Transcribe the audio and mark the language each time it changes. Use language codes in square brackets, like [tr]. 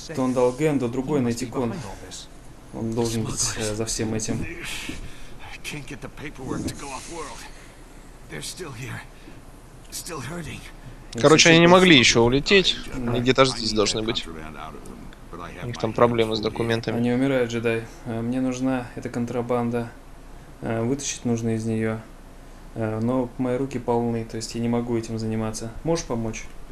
[ru] То он дал Генду, другой Найктикон. Он должен быть за всем этим. [en] Can't get the paperwork to go off world. They're still here. Still hurting. [ru] Короче, они не могли еще улететь. Где-то здесь должны быть. У них там проблемы с документами. Они умирают, джедай. Мне нужна эта контрабанда. Вытащить нужно из нее. Но мои руки полны, то есть я не могу этим заниматься. Можешь помочь?